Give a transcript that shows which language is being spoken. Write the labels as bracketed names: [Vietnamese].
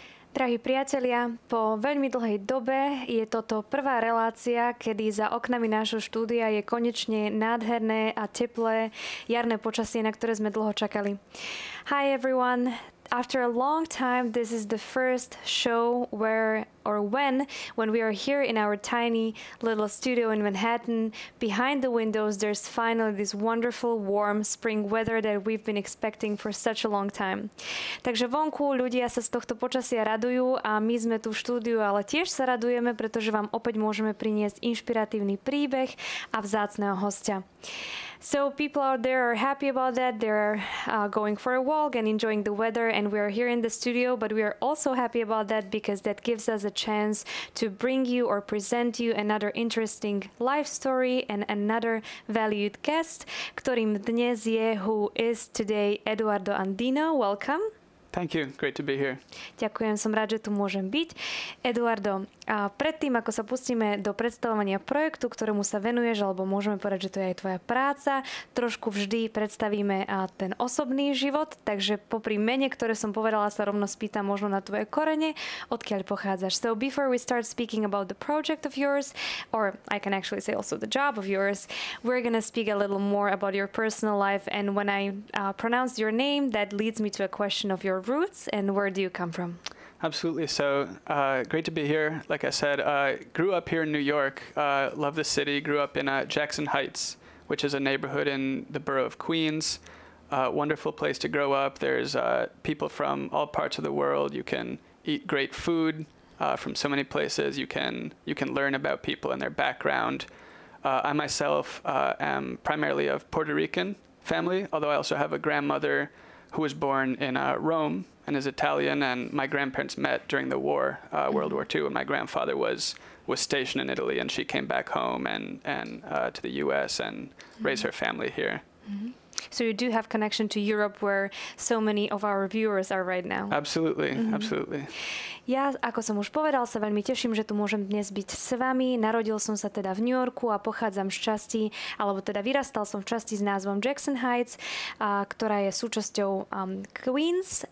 [Slovak] Drahí priatelia, po veľmi dlhej dobe je toto prvá relácia, kedy za oknami nášho štúdia je konečne nádherné a teplé jarné počasie, na ktoré sme dlho čakali. [English] Hi everyone. After a long time, this is the first show where or when we are here in our tiny little studio in Manhattan. Behind the windows, there's finally this wonderful warm spring weather that we've been expecting for such a long time. [Slovak] Takže vonku ľudia sa z tohto počasia radujú a my sme tu v štúdiu, ale tiež sa radujeme, pretože vám opäť môžeme priniesť inšpiratívny príbeh a vzácneho hostia. [English] So people out there are happy about that. They're going for a walk and enjoying the weather, and we are here in the studio, but we are also happy about that because that gives us a chance to bring you or present you another interesting life story and another valued guest, [Slovak] ktorým dnes je, [English] who is today, Eduardo Andino. Welcome. Thank you. Great to be here. [Slovak] Ďakujem, som rád, že tu môžem byť. Eduardo, a predtým, ako sa pustíme do predstavovania projektu, ktorému sa venuješ, alebo môžeme povedať, že to je aj tvoja práca, trošku vždy predstavíme ten osobný život, takže popri mene, ktoré som povedala, sa rovno spýtam možno na tvoje korene, odkiaľ pochádzaš. [English] So before we start speaking about the project of yours, or I can actually say also the job of yours, we're going to speak a little more about your personal life, and when I pronounce your name, that leads me to a question of your roots and where do you come from? Absolutely. So great to be here. Like I said, grew up here in New York. Love the city. Grew up in Jackson Heights, which is a neighborhood in the borough of Queens. Wonderful place to grow up. There's people from all parts of the world. You can eat great food from so many places. You can learn about people and their background. I myself am primarily of Puerto Rican family, although I also have a grandmother who was born in Rome and is Italian, and my grandparents met during the war, World War II, and my grandfather was stationed in Italy, and she came back home and to the U.S. and raised her family here. Mm-hmm. So you do have connection to Europe, where so many of our viewers are right now. Absolutely, mm-hmm. Absolutely. [Slovak] Ja, ako som už povedal, sa veľmi teším, že tu môžem dnes byť s vami. Narodil som sa teda v New Yorku a pochádzam z časti, alebo teda vyrastal som v časti s názvom Jackson Heights, ktorá je súčasťou Queens.